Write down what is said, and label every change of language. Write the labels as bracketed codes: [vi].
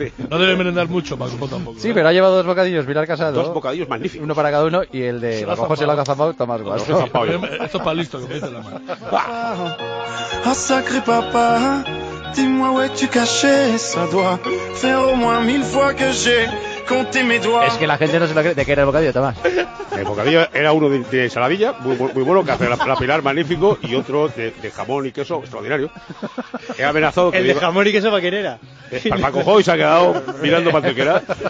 [es] No debe merendar mucho Paco Jo tampoco. Sí, pero ha llevado dos bocadillos Pilar Casado. Dos bocadillos magníficos. Uno para cada uno y el de Paco Jo se lo ha cazapado Tomás Guas. Esto es para listo, que pide la mano. [fr] Ah, sacré papá. Dis-moi où es-tu caché, ça doit faire au moins mille fois que j'ai compté mes doigts. [es] Es que la gente no se lo cree. ¿De qué era el bocadillo, Tomás? El bocadillo era uno de ensaladilla, muy bueno, que hace la Pilar, magnífico, y otro de jamón y queso, extraordinario. He amenazado que... ¿El de jamón y queso para quién era? Para Paco Jo, y se ha quedado mirando para el que era.